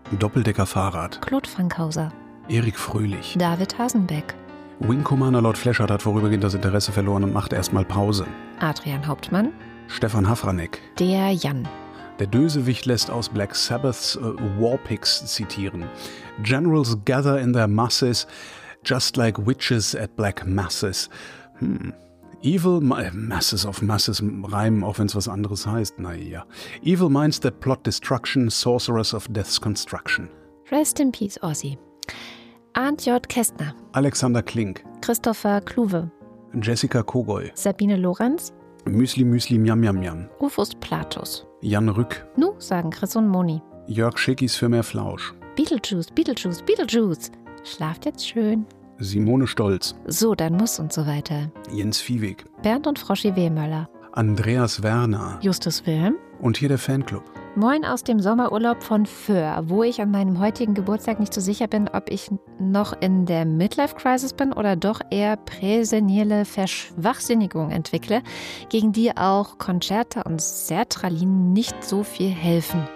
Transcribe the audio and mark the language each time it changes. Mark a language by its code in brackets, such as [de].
[de] Doppeldecker Fahrrad. Claude Frankhauser. Erik Fröhlich. David Hasenbeck. Wing Commander Lord Fleschert hat vorübergehend das Interesse verloren und macht erstmal Pause. Adrian Hauptmann. Stefan Hafranek. Der Jan. Der Dösewicht lässt aus Black Sabbaths Warpix zitieren. [en] Generals gather in their masses, just like witches at black masses. Evil masses of masses [de] reimen, auch wenn es was anderes heißt. Naja. [en] Evil minds that plot destruction, sorcerers of death's construction. Rest in peace, Ozzy. Arndt J. Kästner. [de] Alexander Klink. Christopher Kluwe. Jessica Kogoy. Sabine Lorenz. Müsli Müsli Miam Miam Miam. Rufus Platus. Jan Rück. Nu sagen Chris und Moni. Jörg Schickis für mehr Flausch. Beetlejuice, Beetlejuice, Beetlejuice. Schlaft jetzt schön. Simone Stolz. So, dann muss und so weiter. Jens Viehweg. Bernd und Froschi Wehmöller. Andreas Werner. Justus Wilhelm. Und hier der Fanclub. Moin aus dem Sommerurlaub von Föhr, wo ich an meinem heutigen Geburtstag nicht so sicher bin, ob ich noch in der Midlife-Crisis bin oder doch eher präsenile Verschwachsinnigung entwickle, gegen die auch Concerta und Sertralin nicht so viel helfen.